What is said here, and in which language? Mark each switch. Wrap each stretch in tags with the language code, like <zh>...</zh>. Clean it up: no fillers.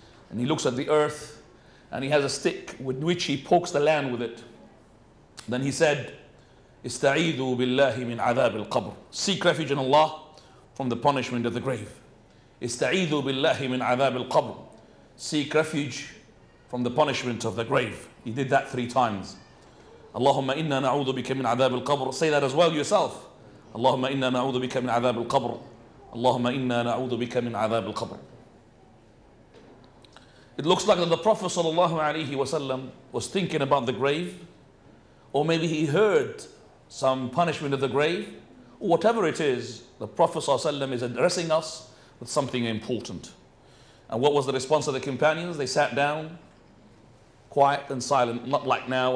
<en>And he looks at the earth, and he has a stick with which he pokes the land with it. Then he said,</en> <ar>استعيذوا بالله من عذاب القبر.</ar> <en>Seek refuge in Allah from the punishment of the grave.</en> <ar>استعيذوا بالله من عذاب القبر.</ar> <en>Seek refuge from the punishment of the grave. He did that three times.</en> <ar>اللهم إنا نعوذ بك من عذاب القبر.</ar> <en>Say that as well yourself.</en> <ar>اللهم إنا نعوذ بك من عذاب القبر. اللهم إنا نعوذ بك من عذاب القبر.</ar> <en>It looks like that the Prophet</en> <ar>صلى الله عليه وسلم</ar> <en>was thinking about the grave, or maybe he heard some punishment of the grave. Whatever it is, the Prophet ﷺ is addressing us with something important. And what was the response of the companions? They sat down, quiet and silent, not like now.</en>